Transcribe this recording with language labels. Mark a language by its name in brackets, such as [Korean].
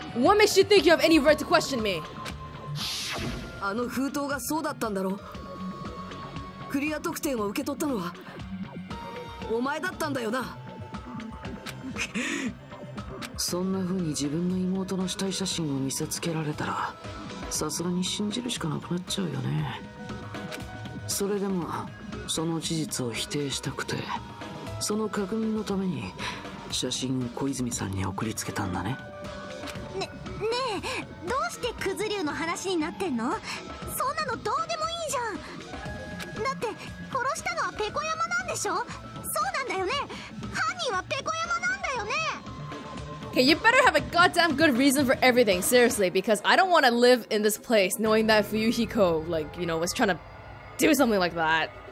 [English] What makes you think you have any right to question me? [Japanese] あの封筒がそうだったんだろう。クリア特典を受け取ったのはお前だったんだよな。そんな風に自分の妹の死体写真を見せつけられたらさすがに信じるしかなくなっちゃうよね。それでもその事実を否定したくて、その確認のために写真を小泉さんに送りつけたんだね。ねえどうしてクズ竜の話になってんの？そんなのどうでもいいじゃん。だって殺したのはペコ山なんでしょ？そうなんだよね、犯人はペコ山なんだよね。 [English] Hey, you better have a goddamn good reason for everything, seriously, because I don't want to live in this place knowing that Fuyuhiko, like, you know, was trying to do something like that.